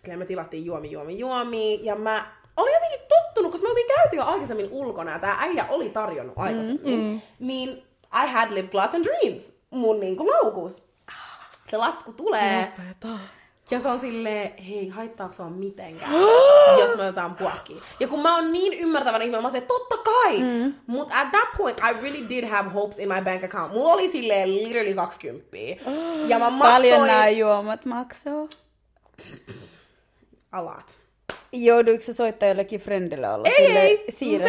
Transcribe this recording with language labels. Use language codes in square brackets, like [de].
[fi] Silleen me tilattiin juomi. Ja mä olin jotenkin tottunut, koska me oltiin käyty jo aikaisemmin ulkona, ja tää äijä oli tarjonnut aikaisemmin. [en] Niin I had lip gloss and dreams. [fi] Mun niinku laukus. Se lasku tulee. Lopeta. Ja se on silleen, hei, haittaako se on mitenkään, jos me otetaan puokkiin. Ja kun mä oon niin ymmärtävän ihminen, mä oon se, totta kai. [en] Mut at that point, I really did have hopes in my bank account. [fi] Mulla oli silleen literally 20. Ja mä maksoin... Paljon nää juomat maksoo? [en] A lot. [fi] Jouduiko se soittaa jollekin friendille olla silleen, siirrä,